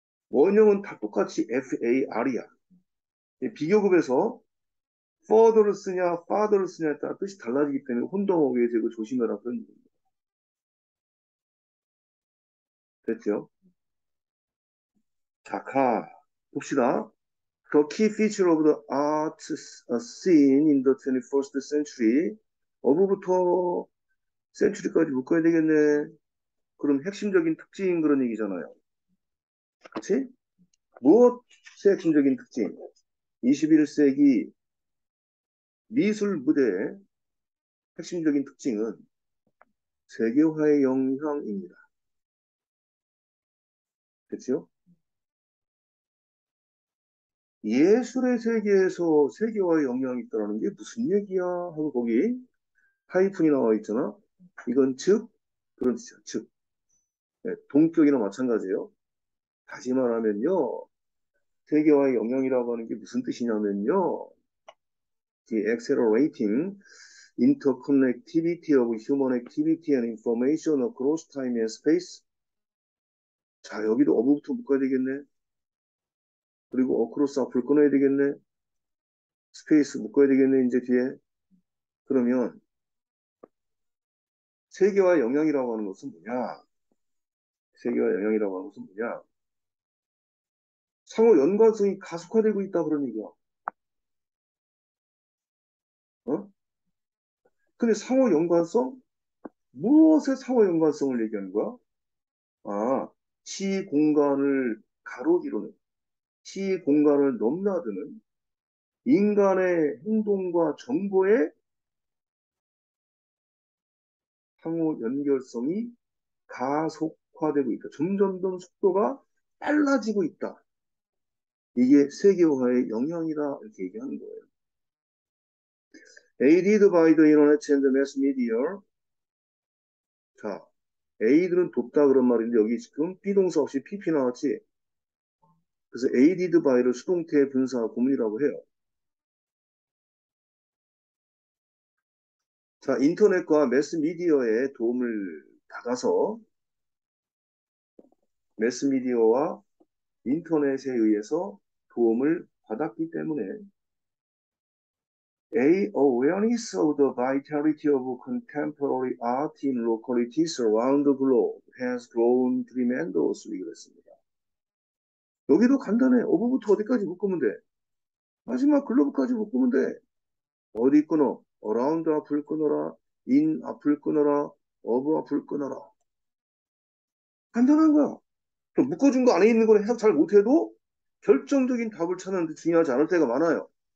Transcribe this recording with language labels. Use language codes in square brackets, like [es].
[ko] 원형은 다 똑같이 far이야. 비교급에서 further를 쓰냐, father를 쓰냐에 따라 뜻이 달라지기 때문에 혼동하게 되고 조심해라 그런 얘기입니다. 됐죠? 자, 가. 봅시다. [en] The key feature of the art scene in the 21st century. [ko] 어부부터 century까지 묶어야 되겠네. 그럼 핵심적인 특징인 그런 얘기잖아요. 그치? 무엇의 핵심적인 특징? 21세기 미술 무대의 핵심적인 특징은 세계화의 영향입니다. 그치요? 예술의 세계에서 세계화의 영향이 있다는 게 무슨 얘기야? 하고 거기 하이픈이 나와 있잖아. 이건 즉 그런 뜻이야. 즉 동격이나 마찬가지예요. 다시 말하면요, 세계화의 영향이라고 하는 게 무슨 뜻이냐면요, [en] The accelerating interconnectivity of human activity and information across time and space. [ko] 자, 여기도 어부부터 묶어야 되겠네. 그리고 across 앞을 끊어야 되겠네. space 묶어야 되겠네, 이제 뒤에. 그러면 세계화의 영향이라고 하는 것은 뭐냐? 세계화의 영향이라고 하는 것은 뭐냐? 상호 연관성이 가속화되고 있다, 그런 얘기야. 어? 근데 상호 연관성? 무엇의 상호 연관성을 얘기하는 거야? 아, 시 공간을 가로지르는, 시 공간을 넘나드는 인간의 행동과 정보의 상호 연결성이 가속화되고 있다. 점점 더 속도가 빨라지고 있다. 이게 세계화의 영향이다. 이렇게 얘기하는 거예요. [en] Aided by the internet and mass media. [ko] 자, aid는 돕다 그런 말인데 여기 지금 비동사 없이 PP 나왔지? 그래서 aided by를 수동태 분사 구문이라고 해요. 자, 인터넷과 매스 미디어의 도움을 받아서 매스 미디어와 인터넷에 의해서 도움을 받았기 때문에 [en] A awareness of the vitality of contemporary art in localities around the globe has grown tremendously [ko] 그랬습니다. 여기도 간단해. 어부부터 어디까지 묶으면 돼? 마지막 글로브까지 묶으면 돼. 어디 끊어? around 앞을 끊어라. in 앞을 끊어라. of 앞을 끊어라. 간단한 거야. 또 묶어준 거 안에 있는 걸 해석 잘 못해도 결정적인 답을 찾는데 중요하지 않을 때가 많아요.